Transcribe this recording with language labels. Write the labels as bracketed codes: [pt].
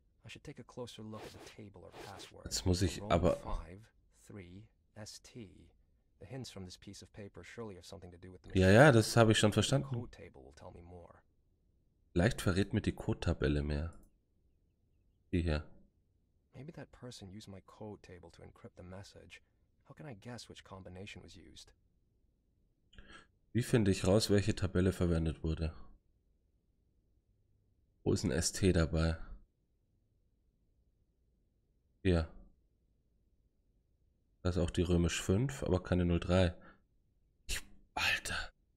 [en] I should take a closer look at the table or password. [de] Jetzt muss ich aber. 5-3-ST. [en] The hints from this piece of paper surely have something to do with the machine. [de] Ja, ja, das habe ich schon verstanden. [en] Code table will tell me more. [de] Vielleicht verrät mir die Codetabelle mehr. Die hier. [en] Maybe that person used my code table to encrypt the message. How can I guess which combination was used? [de] Wie finde ich raus, welche Tabelle verwendet wurde? Wo ist ein ST dabei? Hier. Das ist auch die römisch 5, aber keine 03. Alter.